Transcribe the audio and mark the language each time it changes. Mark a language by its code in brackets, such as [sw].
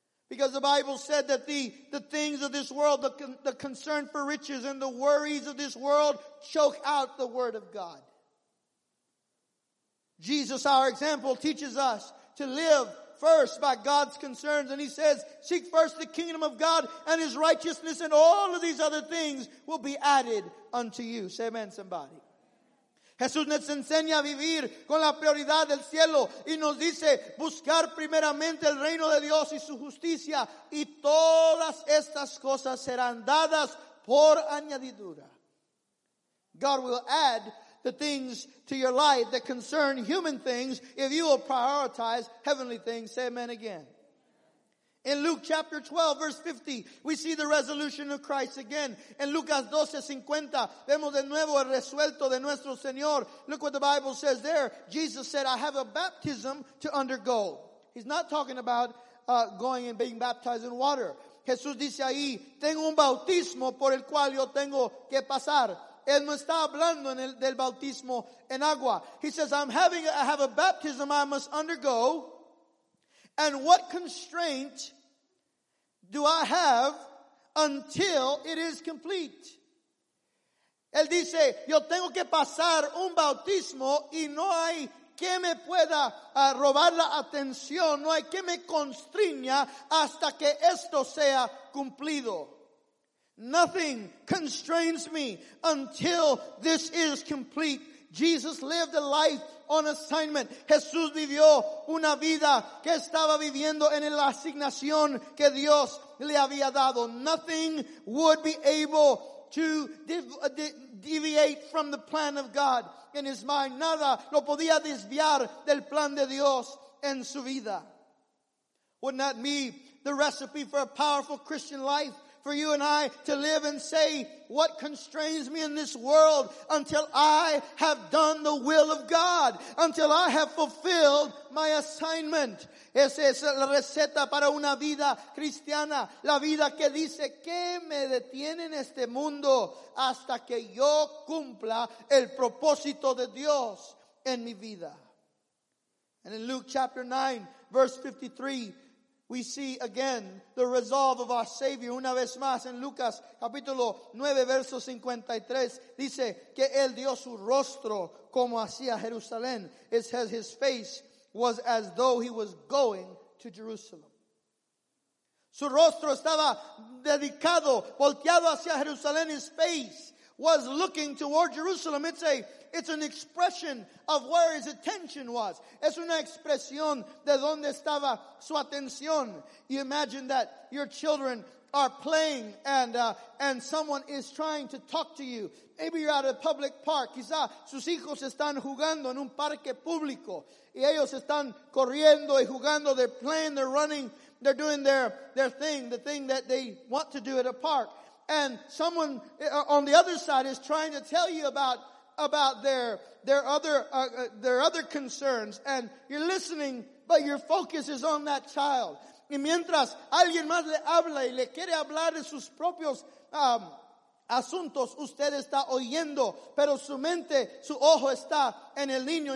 [en] Because the Bible said that the things of this world, the concern for riches and the worries of this world choke out the word of God. Jesus, our example, teaches us to live first by God's concerns. And he says, seek first the kingdom of God and his righteousness, and all of these other things will be added unto you. Say amen, somebody. [es] Jesús nos enseña a vivir con la prioridad del cielo y nos dice buscar primeramente el reino de Dios y su justicia y todas estas cosas serán dadas por añadidura. [en] God will add the things to your life that concern human things if you will prioritize heavenly things. Say amen again. In Luke chapter 12, verse 50, we see the resolution of Christ again. [es] In Lucas 12, 50, vemos de nuevo el resuelto de nuestro Señor. [en] Look what the Bible says there. Jesus said, I have a baptism to undergo. He's not talking about going and being baptized in water. [es] Jesús dice ahí, tengo un bautismo por el cual yo tengo que pasar. Él no está hablando del bautismo en agua. [en] He says, I have a baptism I must undergo. And what constraint do I have until it is complete? [es] Él dice, yo tengo que pasar un bautismo y no hay que me pueda robar la atención, no hay que me constriña hasta que esto sea cumplido. [en] Nothing constrains me until this is complete. Jesus lived a life on assignment. [es] Jesús vivió una vida que estaba viviendo en la asignación que Dios le había dado. [en] Nothing would be able to deviate from the plan of God in his mind. [es] Nada lo podía desviar del plan de Dios en su vida. [en] Wouldn't that be the recipe for a powerful Christian life? For you and I to live and say, what constrains me in this world until I have done the will of God, until I have fulfilled my assignment. [es] Esa es la receta para una vida cristiana, la vida que dice, ¿qué me detiene en este mundo hasta que yo cumpla el propósito de Dios en mi vida? [en] And in Luke chapter 9, verse 53, we see again the resolve of our Savior. [es] Una vez más, en Lucas capítulo 9, verso 53, dice que él dio su rostro como hacia Jerusalén. [en] It says his face was as though he was going to Jerusalem. [es] Su rostro estaba dedicado, volteado hacia Jerusalén. [en] His face was looking toward Jerusalem. It's an expression of where his attention was. [es] Es una expresión de donde estaba su atención. [en] You imagine that your children are playing and someone is trying to talk to you. Maybe you're at a public park. [es] Quizá sus hijos están jugando en un parque público. Y ellos están corriendo y jugando. [en] They're playing, they're running, they're doing their thing, the thing that they want to do at a park. And someone on the other side is trying to tell you about their other concerns, and you're listening, but your focus is on that child. [es] Y mientras alguien más le habla y le quiere hablar de sus propios asuntos, usted está oyendo, pero su mente, su ojo está en el niño.